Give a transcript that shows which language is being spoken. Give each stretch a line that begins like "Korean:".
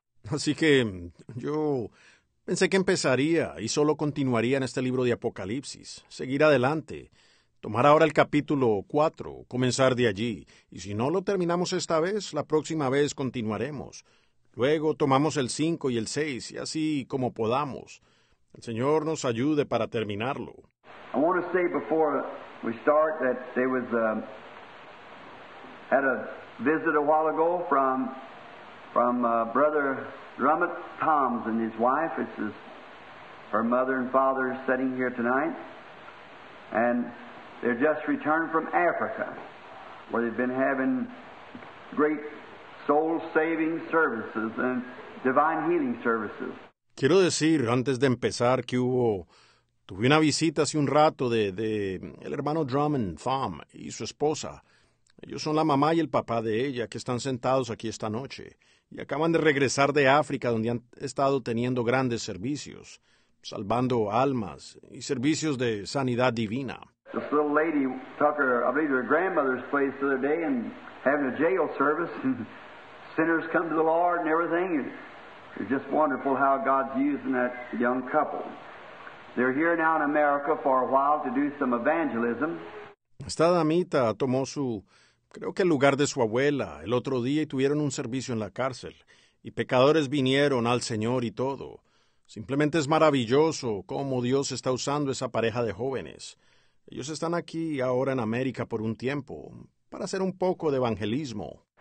Spanish: Así que yo pensé que empezaría y solo continuaría en este libro de Apocalipsis, seguir adelante. Tomar ahora el capítulo 4, comenzar de allí. Y si no lo terminamos esta vez, la próxima vez continuaremos. Luego tomamos el 5 y el 6, y así como podamos. El Señor nos ayude para terminarlo.
English: I want to say before we start that there was had a visit a while ago from Brother Drummond Toms and his wife. It's his, her mother and father sitting here tonight. And they're just returned from Africa, where they've been having great soul-saving services and divine healing services.
Spanish: Quiero decir, antes de empezar, que tuve una visita hace un rato de el hermano Drummond Thom y su esposa. Ellos son la mamá y el papá de ella, que están sentados aquí esta noche. Y acaban de regresar de África, donde han estado teniendo grandes servicios, salvando almas y servicios de sanidad divina.
English: This little lady took her, I believe, her grandmother's place the other day and having a jail service. Sinners come to the Lord and everything. It's just wonderful how God's using that young couple. They're here now in America for a while to do some evangelism.
Spanish: Esta damita tomó creo que el lugar de su abuela el otro día y tuvieron un servicio en la cárcel. Y pecadores vinieron al Señor y todo. Simplemente es maravilloso cómo Dios está usando esa pareja de jóvenes. Ellos están aquí ahora en América por un tiempo para hacer un poco de evangelismo.